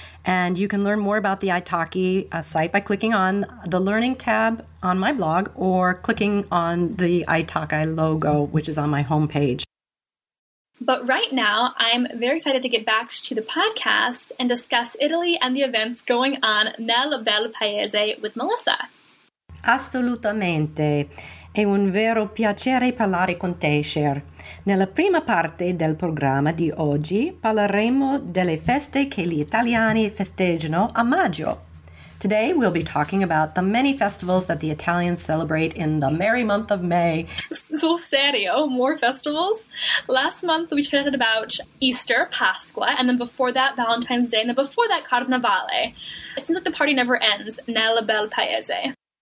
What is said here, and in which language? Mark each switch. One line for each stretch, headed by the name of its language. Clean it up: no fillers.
English: And you can learn more about the Itaki site by clicking on the Learning tab on my blog or clicking on the Itaki logo, which is on my homepage. But right now, I'm very excited to get back to the podcast and discuss Italy and the events going on
Italian: nel bel paese
English: with Melissa.
Italian: Assolutamente. È un vero piacere parlare con te, Cher. Nella prima parte del programma di oggi parleremo delle feste che gli italiani festeggiano a maggio.
English: Today we'll be talking about the many festivals that the Italians celebrate in the merry month of May.
Italian: So serio,
English: more festivals? Last month we chatted about Easter, Pasqua, and then before that Valentine's Day, and then before that Carnevale. It seems like the party never ends,
Italian: nel bel paese.